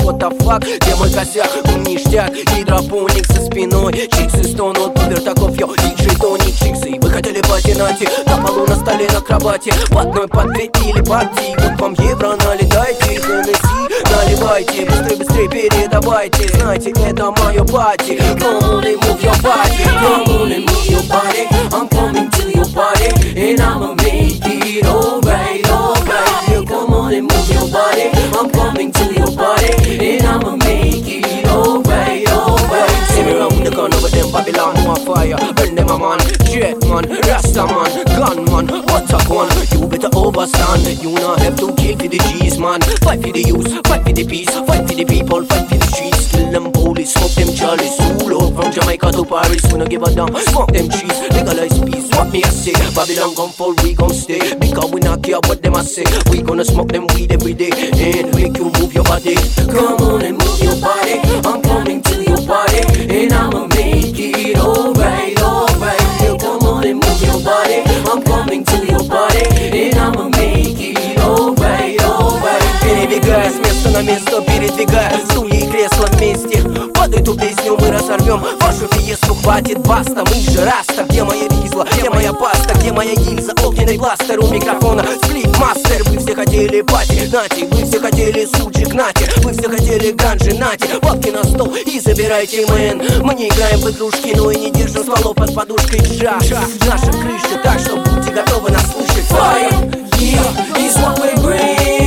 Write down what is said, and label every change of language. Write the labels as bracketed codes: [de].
[en] What the fuck? [ru] Где мой косяк? Он ништяк. Гидропоник со спиной. Чиксы стонут, пупер таков. Йо! Диджей Тони, чиксы. Вы хотели патинати? На полу, на столе, на кровати. В одной, по две или по три. Вот вам евро налетайте. Хеннесси наливайте. Быстрее, быстрее передавайте. Знаете, это мое пати. [en] Come on and move your body. Come on and move your body. I'm coming to your party. And I'ma make it alright, alright. Yo, come on and move your body. I'm coming to your party. And I'ma make it alright, alright. See me round the corner with them Babylon. My fire, burn them a man. Jet man, Rasta man, gunman, attack one. You better overstand. You not have to kill for the G's, man. Fight for the youth, fight for the peace. Fight for the people, fight for the streets. Kill them police, smoke them chalice. Rule up from Jamaica to Paris. We not give a damn, smoke them trees. Legalize peace, what me I say. Babylon gon' fall, we gon' stay. Because we not care what them I say. We gonna smoke them weed every day. And make you move your body. Come on and move your body. I'm coming to your party. And I'ma make it alright, alright. Move your body, I'm coming to your body. And I'ma make it alright, alright. [ru] Перебегая с места на место, передвигая стулья и кресла вместе. Под эту песню мы разорвем вашу пьесу, хватит, баста. Мы же раста, где моя ризла, где моя паста. Где моя гильза, огненный бластер. У микрофона сплит-мастер. Вы все хотели пати, нати. Вы все хотели сучек, нати. Вы все хотели ганджи, нати. Бабки на стол и забирайте, мэн. Мы не играем в игрушки, но и не держим стволов под подушкой. Джа, наша крыша, так что будьте готовы нас слушать. [en] Fire, yeah, is what we bring.